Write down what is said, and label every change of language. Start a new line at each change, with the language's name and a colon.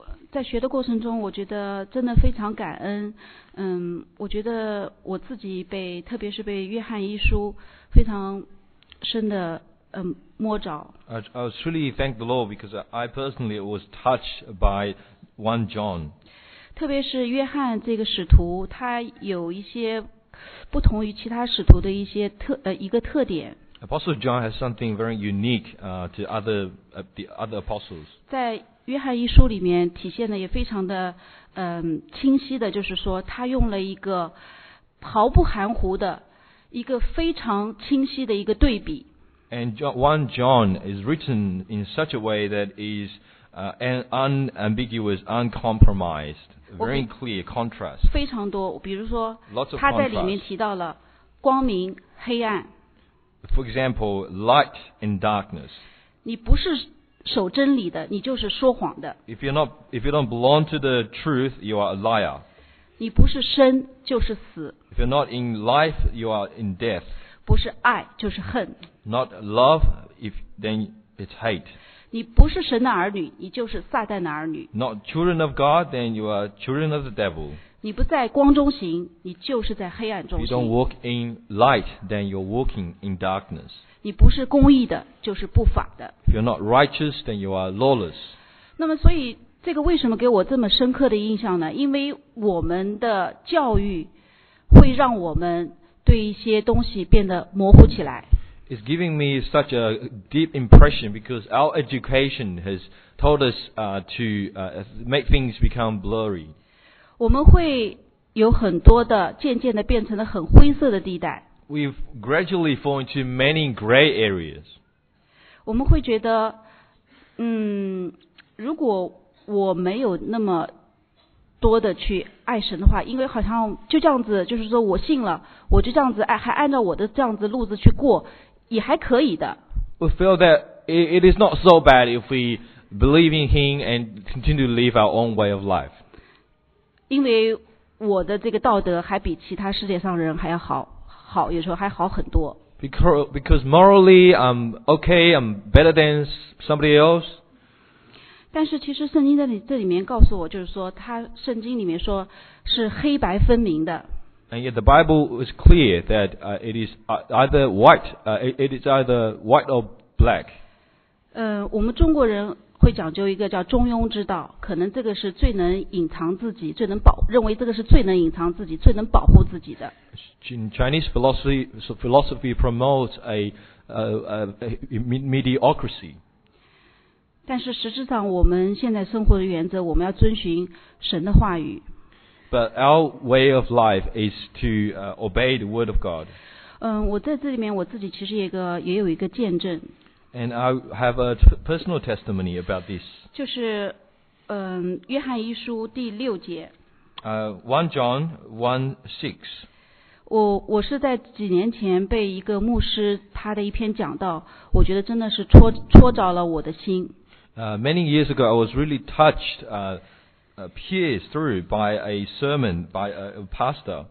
Chinese: 在学的过程中，我觉得真的非常感恩。我觉得我自己被，特别是被约翰一书非常深的摸着。
English: I was truly thank the Lord because I personally was touched by 1 John.
Chinese: 特别是约翰这个使徒，他有一些不同于其他使徒的一些一个特点。
English: Apostle John has something very unique to the other apostles.
Chinese: 在约翰一书里面体现的也非常的清晰的，就是说他用了一个毫不含糊的一个非常清晰的一个对比。
English: And John is written in such a way that is an unambiguous, uncompromised. Very clear contrast.
Chinese: 非常多，比如说他在里面提到了光明黑暗。
English: For example, light and darkness.
Chinese: 你不是守真理的，你就是说谎的。
English: If you don't belong to the truth, you are a liar.
Chinese: 你不是生就是死。
English: If you're not in life, you are in death.
Chinese: 不是爱就是恨。
English: Not love, if then it's hate.
Chinese: 你不是神的儿女，你就是撒旦的儿女。
English: Not children of God, then you are children of the devil.
Chinese: 你不在光中行，你就是在黑暗中行。
English: You don't walk in light, then you're walking in darkness.
Chinese: 你不是公义的，就是不法的。
English: If you're not righteous, then you are lawless.
Chinese: 那么，所以这个为什么给我这么深刻的印象呢？因为我们的教育会让我们对一些东西变得模糊起来。
English: It's giving me such a deep impression because our education has told us to make things become blurry.
Chinese: 我们会有很多的渐渐的变成了很灰色的地带。
English: We've gradually fallen into many gray areas.
Chinese: 我们会觉得，如果我没有那么多的去爱神的话，因为好像就这样子，就是说我信了，我就这样子爱，还按照我的这样子路子去过。也还可以的。
English: We feel that it is not so bad if we believe in Him and continue to live our own way of life.
Chinese: 因为我的这个道德还比其他世界上人还要好，有时候还好很多。
English: Because morally I'm okay, I'm better than somebody else.
Chinese: 但是其实圣经在这里面告诉我，就是说他圣经里面说是黑白分明的。
English: And yet the Bible is clear that it is either white or black.
Chinese: 我们中国人会讲究一个叫中庸之道，可能这个是最能隐藏自己，最能保，认为这个是最能隐藏自己，最能保护自己的。
English: In Chinese philosophy promotes a mediocrity.
Chinese: 但是实质上，我们现在生活的原则，我们要遵循神的话语。
English: But our way of life is to obey the word of God.
Chinese: 我在这里面我自己其实也有一个见证。
English: And I have a personal testimony about this.
Chinese: 就是，约翰一书第六节。
English: 1 John 1:6.
Chinese: 我是在几年前被一个牧师他的一篇讲道，我觉得真的是戳着了我的心。
English: Many years ago, I was really touched. Pierced through by a sermon by a pastor.